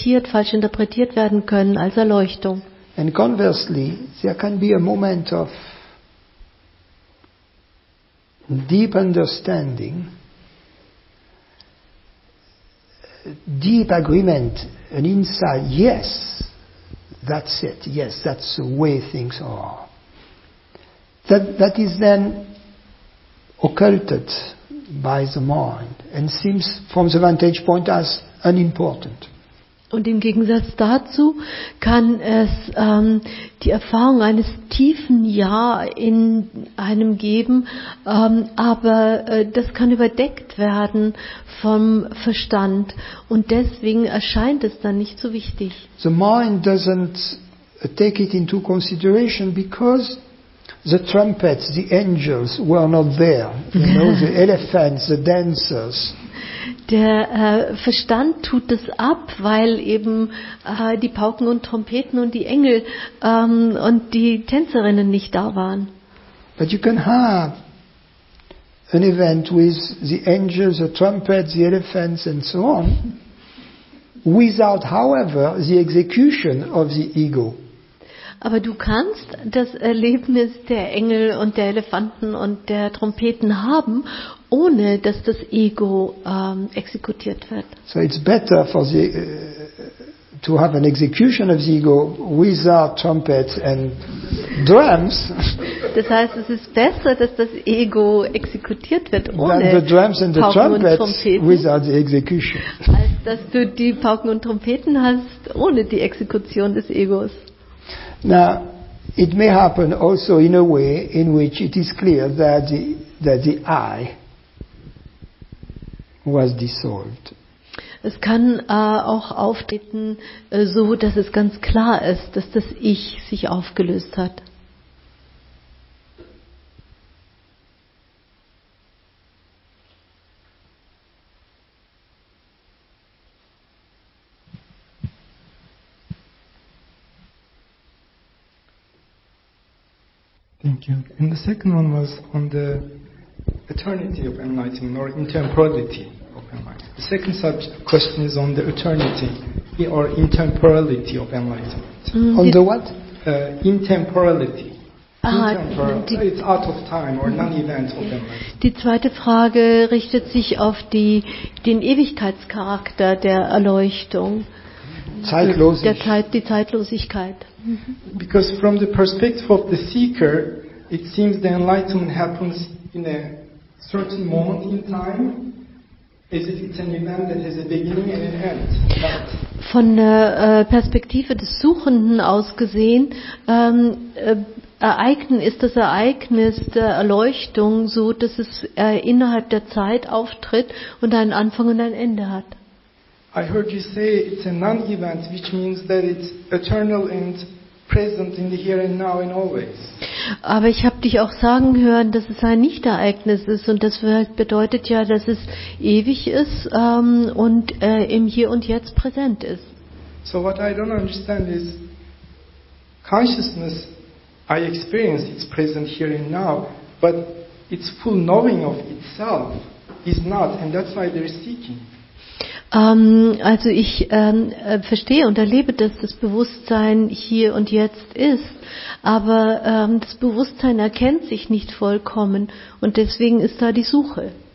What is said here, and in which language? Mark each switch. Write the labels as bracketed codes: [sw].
[de] Falsch interpretiert werden können als Erleuchtung. [en] And conversely, there can be a moment of deep understanding, deep agreement, an insight, yes. That's it. Yes, that's the way things are. That is then occulted by the mind and seems from the vantage point as unimportant. [de] Und im Gegensatz dazu kann es die Erfahrung eines tiefen Ja in einem geben, aber das kann überdeckt werden vom Verstand und deswegen erscheint es dann nicht so wichtig. [en] The mind doesn't take it into consideration because the trumpets, the angels were not there, you know, the elephants, the dancers. [de] Der Verstand tut es ab, weil eben die Pauken und Trompeten und die Engel und die Tänzerinnen nicht da waren. [en] But you can have an event with the angels, the trumpets, the elephants and so on, without, however, the execution of the ego. [de] Aber du kannst das Erlebnis der Engel und der Elefanten und der Trompeten haben, ohne dass das Ego exekutiert wird. [en] So it's better for the to have an execution of the ego without trumpets and drums. [de] Das heißt, es ist besser, dass das Ego exekutiert wird ohne [en] the drums and the trumpets without the execution. [de] Als dass du die Pauken und Trompeten hast ohne die Exekution des Egos. [en] Now, it may happen also in a way in which it is clear that the I was dissolved. [de] Es kann auch auftreten, so dass es ganz klar ist, dass das Ich sich aufgelöst hat. [en] Thank you. And the second one was on the eternity of enlightenment or intemporality of enlightenment. The second question is on the eternity or intemporality of enlightenment. On the what? Intemporality. It's out of time or non-event of enlightenment. [de] Die zweite Frage richtet sich auf den Ewigkeitscharakter der Erleuchtung. Die Zeitlosigkeit. [en] Because from the perspective of the seeker, it seems the enlightenment happens in a certain moment in time. Is it an event that has a beginning and an end? [de] Von der Perspektive des Suchenden aus gesehen, ist das Ereignis der Erleuchtung so, dass es innerhalb der Zeit auftritt und einen Anfang und ein Ende hat. [en] I heard you say it's a non-event, which means that it's eternal and present in the here and now and always. [de] Aber ich habe dich auch sagen hören, dass es ein Nicht-Ereignis ist und das bedeutet ja, dass es ewig ist und im Hier und Jetzt präsent ist. [en] So what I don't understand is consciousness I experience it's present here and now, but its full knowing of itself is not, and that's why there is seeking. [de] Also ich verstehe und erlebe, dass das Bewusstsein hier und jetzt ist, aber das Bewusstsein erkennt sich nicht vollkommen und deswegen ist da die Suche.